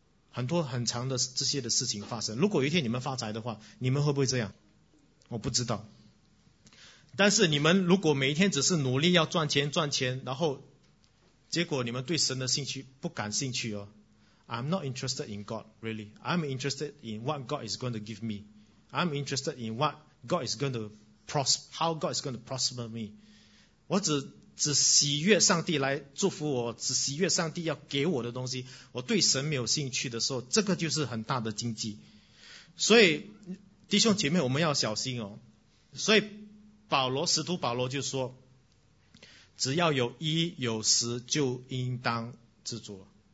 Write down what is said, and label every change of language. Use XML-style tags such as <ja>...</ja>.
<zh>很多很长的这些的事情发生，如果有一天你们发财的话，你们会不会这样？我不知道。但是你们如果每一天只是努力要赚钱赚钱，然后结果你们对神的兴趣不感兴趣哦。</zh> <en>I'm not interested in God, really. I'm interested in what God is going to give me. I'm interested in what God is going to prosper, how God is going to prosper me.</en> <zh>我只喜悦上帝来祝福我，只喜悦上帝要给我的东西，我对神没有兴趣的时候，这个就是很大的经济。所以弟兄姐妹，我们要小心哦。所以使徒保罗就说，只要有衣有食就应当知足了。</zh>